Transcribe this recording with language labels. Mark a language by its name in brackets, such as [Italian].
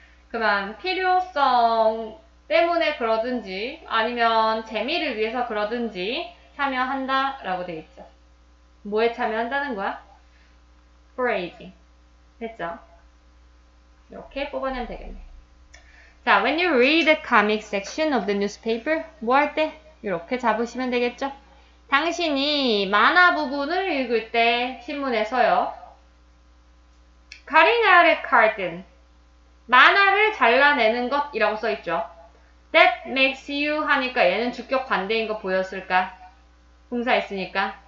[Korean] 그만 필요성 때문에 그러든지, 아니면 재미를 위해서 그러든지 참여한다 라고 돼 있죠. 뭐에 참여한다는 거야? phrase. 됐죠? 이렇게 뽑아내면 되겠네. 자, [English] when you read the comic section of the newspaper, [Korean] 뭐할 때? 이렇게 잡으시면 되겠죠? 당신이 만화 부분을 읽을 때 신문에서요. [English] cutting out a cartoon. [Korean] 만화를 잘라내는 것이라고 써 있죠. [English] That makes you [Korean] 하니까 얘는 주격 관대인 거 보였을까? 동사 있으니까.